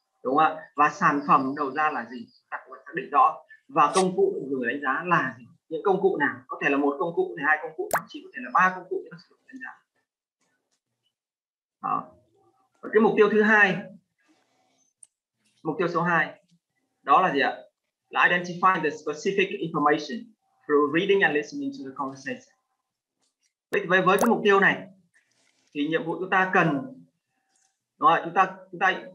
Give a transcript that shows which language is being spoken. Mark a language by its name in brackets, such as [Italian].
[Vietnamese] Đúng không ạ? Và sản phẩm đầu ra là gì? Ta phải xác định rõ. Và công cụ dùng để đánh giá là gì? Những công cụ nào? Có thể là một công cụ, có thể hai công cụ, thậm chí có thể là ba công cụ để sử dụng đánh giá. Đó. Cái mục tiêu thứ hai, mục tiêu số 2 đó là gì ạ? Là [English] identify the specific information through reading and listening to the conversation. [Vietnamese] Với cái mục tiêu này thì nhiệm vụ chúng ta cần, đúng không ạ?